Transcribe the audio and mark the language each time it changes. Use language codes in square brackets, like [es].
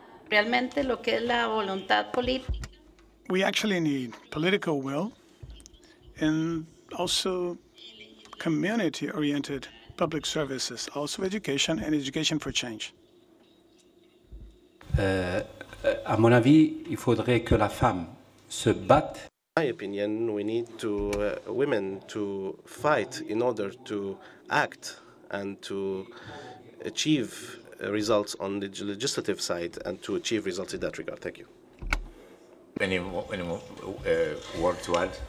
[es] realmente lo que es la voluntad política. [en] We actually need political will and also community-oriented public services, also education and education for change. [fr] À mon avis, il faudrait que la femme se batte. [en] In my opinion, we need to women to fight in order to act and to achieve results on the legislative side and to achieve results in that regard. Thank you. Any more word to add?